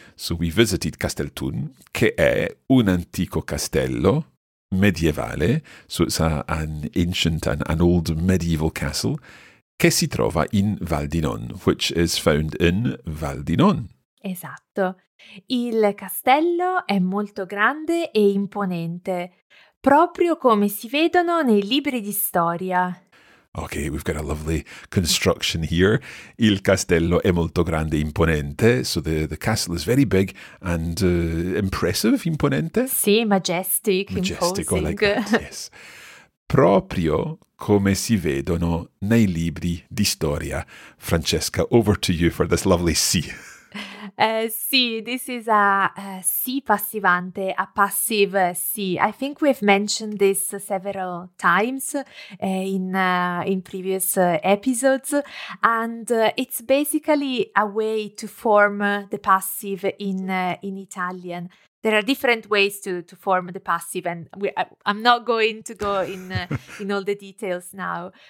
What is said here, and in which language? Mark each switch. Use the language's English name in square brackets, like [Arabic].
[English] So we visited [Italian] Castel Thun, che è un antico castello medievale. [English] So it's an old medieval castle. [Italian] Che si trova in Val di Non, [English] which is found in Val di Non. [Italian] Esatto. Il castello è molto grande e imponente, proprio come si vedono nei libri di storia. [English] Okay, we've got a lovely construction here. [Italian] Il castello è molto grande e imponente. [English] So the castle is very big and impressive, [Italian] imponente. Sì, [English] majestic, imposing. Like that, yes. [Italian] Proprio come si vedono nei libri di storia. Francesca, [English] over to you for this lovely sì. Sì, this is a [Italian] sì passivante, [English] a passive sì. I think we've mentioned this several times in previous episodes, and it's basically a way to form the passive in Italian. There are different ways to form the passive, and I'm not going to go in all the details now.